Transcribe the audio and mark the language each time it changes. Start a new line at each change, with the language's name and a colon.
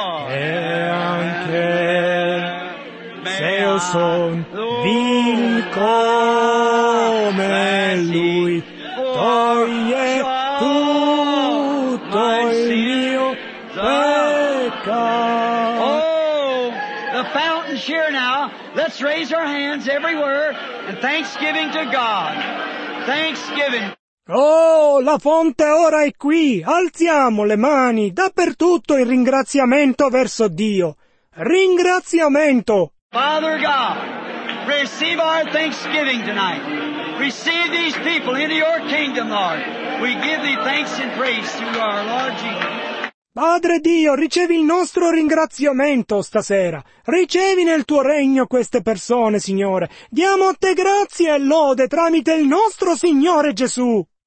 Italian: E anche se io son vil come lui. Toglie tutto il mio peccato.
English: Oh, the fountain's here now. Let's raise our hands everywhere and thanksgiving to God. Thanksgiving.
Italian: Oh, la fonte ora è qui. Alziamo le mani dappertutto in ringraziamento verso Dio. Ringraziamento.
English: Father God, receive our thanksgiving tonight. Receive these people into your kingdom, Lord. We give thee thanks and praise through our Lord Jesus.
Italian: Padre Dio, ricevi il nostro ringraziamento stasera. Ricevi nel tuo regno queste persone, Signore. Diamo a te grazie e lode tramite il nostro Signore Gesù.